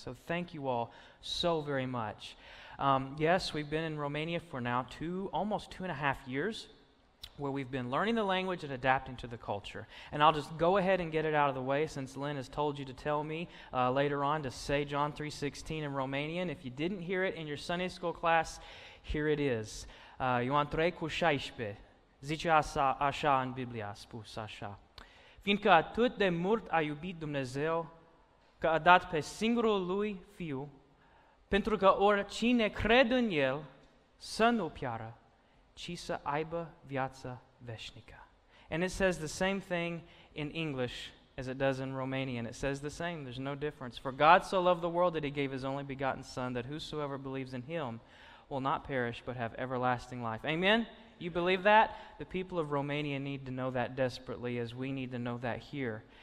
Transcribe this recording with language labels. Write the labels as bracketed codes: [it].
[en] So thank you all so very much. Yes, we've been in Romania for now almost two and a half years, where we've been learning the language and adapting to the culture. And I'll just go ahead and get it out of the way, since Lynn has told you to tell me later on to say John 3:16 in Romanian. If you didn't hear it in your Sunday school class, here it is. [ro] Ioan 3:16. Zice așa în Biblia, spus așa. Fiindcă atât de mult a iubit Dumnezeu, că a dat pe singurul Lui Fiu, pentru că oricine crede în El să nu piară, ci să aibă viață veșnică. [en] And it says the same thing in English as it does in Romanian. It says the same, there's no difference. For God so loved the world that He gave His only begotten Son, that whosoever believes in Him will not perish but have everlasting life. Amen? You believe that? The people of Romania need to know that desperately, as we need to know that here.